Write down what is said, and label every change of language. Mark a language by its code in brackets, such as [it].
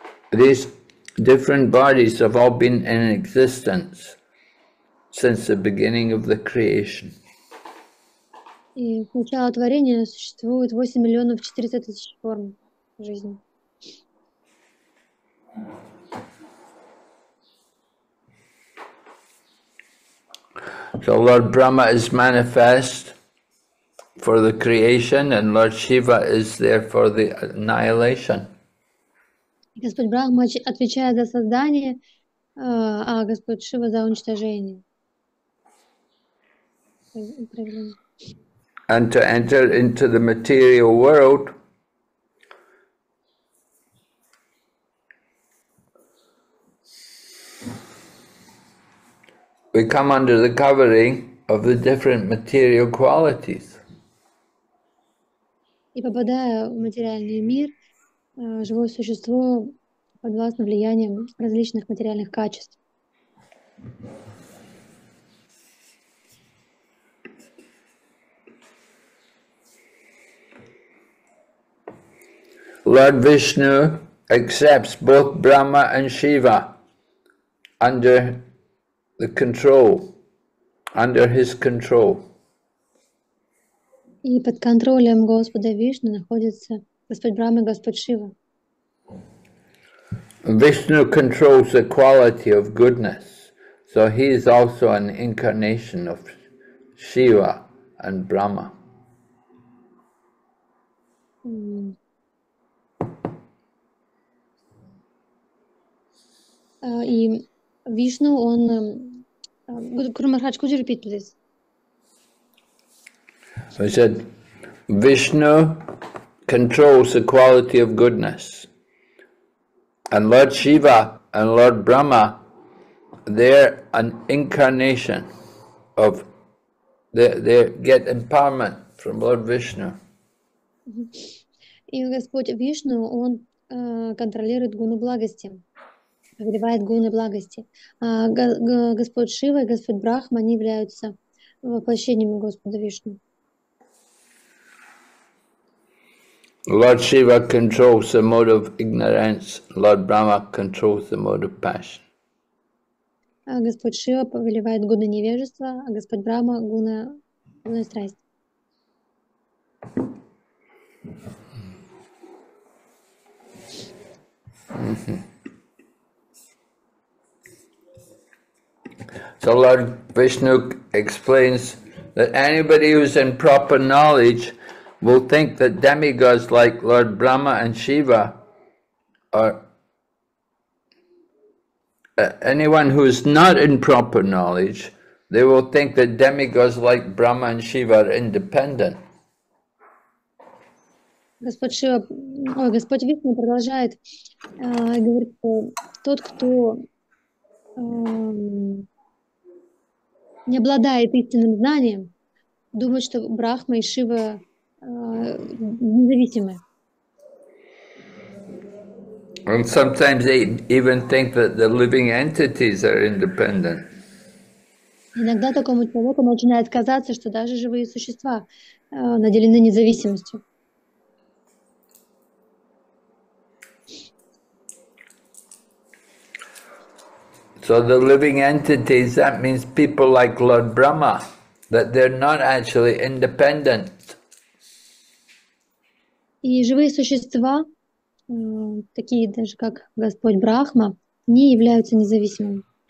[en] These different bodies have all been in existence since the beginning of the creation. [ru] И с начала творения существует 8 400 000 форм жизни. [en] So Lord Brahma is manifest for the creation, and Lord Shiva is there for the annihilation. [ru] Господь Брахма отвечает за создание, а Господь Шива за уничтожение. [en] And to enter into the material world, we come under the covering of the different material qualities. [ru] И попадая в материальный мир, живое существо подвластно влиянием различных материальных качеств. [en] Lord Vishnu accepts both Brahma and Shiva under the control, under his control. [ru] И под контролем Господа Вишны находится Господь Брахма, Господь Шива. [en] Vishnu controls the quality of goodness, so he is also an incarnation of Shiva and Brahma. [ru] И Вишну он, Гуру Махарадж, [en] could you repeat, please? I said, Vishnu controls the quality of goodness. And Lord Shiva and Lord Brahma, they're an incarnation of, they get empowerment from Lord Vishnu. [ru] И Господь Вишну, он контролирует гуну благости. повелевает гуны благости. Господь Шива и Господь Брахма, они являются воплощениями Господа Вишну. [en] Lord Shiva controls the mode of ignorance, Lord Brahma controls the mode of passion. [ru] Господь Шива повелевает гуны невежества, а Господь Брахма гуны страсти. [en] So Lord Vishnu explains that anybody who's in proper knowledge will think that demigods like Lord Brahma and Shiva are anyone who is not in proper knowledge, they will think that demigods like Brahma and Shiva are independent. [ru] Господь Шива, Господь Вишну продолжает говорить, что тот, кто не обладает истинным знанием, думает, что Брахма и Шива независимы. [en] And sometimes they even think that the living entities are independent. [ru] Иногда такому человеку начинает казаться, что даже живые существа наделены независимостью. [en] So the living entities, that means people like Lord Brahma, that they're not actually independent. [ru] И живые существа, такие даже как Господь Брахма, не являются независимыми.